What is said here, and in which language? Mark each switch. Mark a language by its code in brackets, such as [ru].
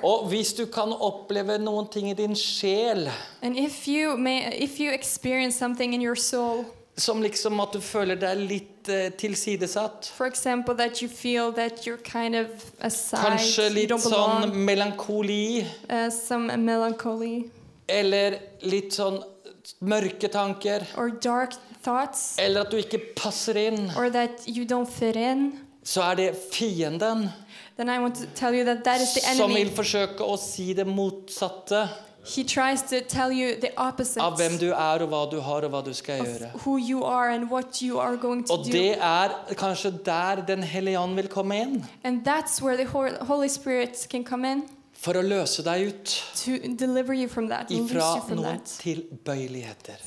[no] Og hvis du kan oppleve noen ting I din sjel. [en] And if you experience something in your soul. [no] Som liksom at du føler deg litt tilsidesatt. [en] For example, that you feel that you're kind of aside. [no] Kanskje litt sånn melankoli. [en] Some melancholy. [no] Eller litt sånn mørke tanker. [en] Or dark thoughts. [no] Eller at du ikke passer inn. [en] Or that you don't fit in. [no] Så det fienden. [en] Then I want to tell you that that is the enemy. [no] Som vil forsøke å si det motsatte. [en] He tries to tell you the opposite [no] av hvem du og hva du har og hva du skal gjøre. [en] Of who you are and what you are going to [no] og [en] do. [no] Og det kanskje der den hellige ånd vil komme inn. [en] And that's where the Holy Spirit can come in. [no] For å løse deg ut. [en] To deliver you from that. [no] Ifra noen tilbøyeligheter.